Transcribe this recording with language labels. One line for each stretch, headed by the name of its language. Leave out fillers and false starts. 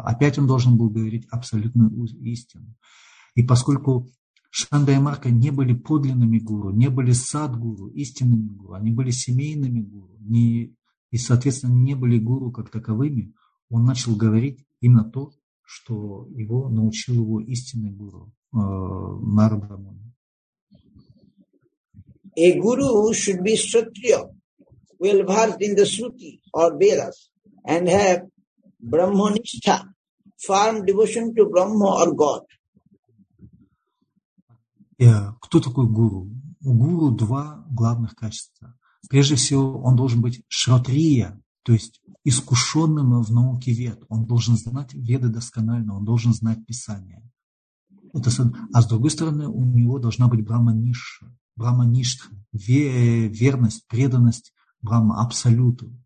Russian: Опять он должен был говорить абсолютную истину. И поскольку Шанда и Марка не были подлинными гуру, не были садгуру, истинными гуру, они были семейными гуру, и, соответственно, не были гуру как таковыми, он начал говорить именно то, что его научил его истинный гуру Нарада Муни.
English: A guru should be kshatriya, well-versed in the shruti or vedas, and have brahmanishtha, firm devotion to Brahma or God.
Russian: Кто такой гуру? У гуру два главных качества. Прежде всего, он должен быть кшатрия, то есть искушенным в науке вед. Он должен знать веды досконально, он должен знать писание. А с другой стороны, у него должна быть брахмаништха, верность, преданность брахма, абсолюту.